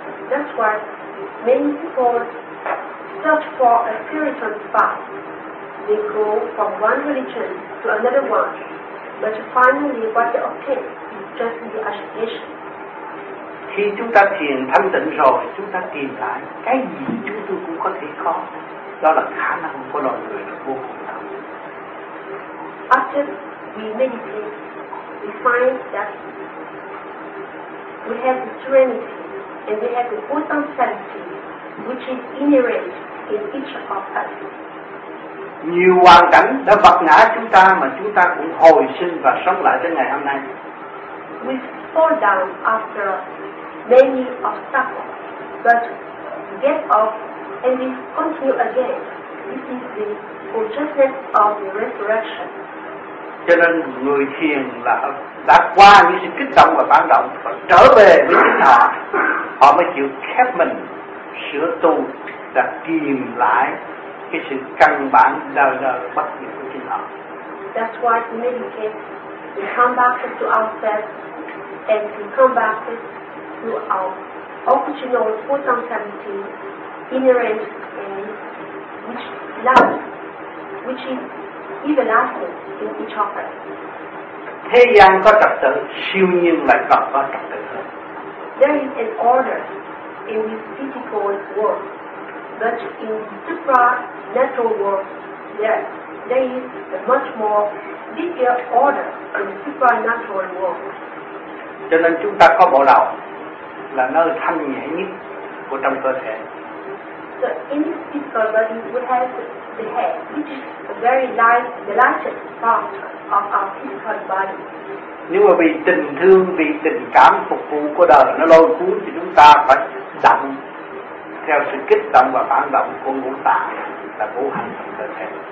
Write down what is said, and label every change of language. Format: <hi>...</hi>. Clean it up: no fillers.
<en>That's why many people search for a spiritual path. They go from one religion to another one, but finally what they obtain is just the agitation.</en> <vi>Khi chúng ta thiền thanh tịnh rồi, chúng ta tìm lại cái gì chúng tôi cũng có thể có. Đó là khả năng của loài người là vô cùng lớn.</vi> <en>After we meditate, we find that we have the serenity and we have the potentiality which is inherent in each of us.</en> <vi>Nhiều hoàn cảnh đã vật ngã chúng ta mà chúng ta cũng hồi sinh và sống lại đến ngày hôm nay.</vi> <en>We fall down after many obstacles, but get up and we continue again. This is the consciousness of the resurrection.</en> <vi>Cho nên người thiền là đã qua những sự kích động và phản động và trở về với chính họ, họ mới chịu khép mình, sửa tu và tìm lại cái sự căn bản đời đời bất diệt của chính họ.</vi> <en>That's why we meditate, we come back to ourselves and we come back to our original potentiality, inherent in which love, which is everlasting in each of us.</en> <vi>Thế gian có trật tự, siêu nhiên lại còn có trật tự.</vi> <en>There is an order in the physical world, but in the supernatural world, there is a much more bigger order in the supernatural world.</en> <vi>Cho nên chúng ta có bộ đầu là nơi thanh nhẹ nhất của trong cơ thể.</vi> <en>So in this physical body, we have the head, which is a very light, the lightest part of our physical body.</en> <vi>Nếu mà vì tình thương, vì tình cảm phục vụ của đời nó lôi cuốn thì chúng ta phải động theo sự kích động và phản động của ngũ tạng là ngũ hành trong cơ thể.</vi>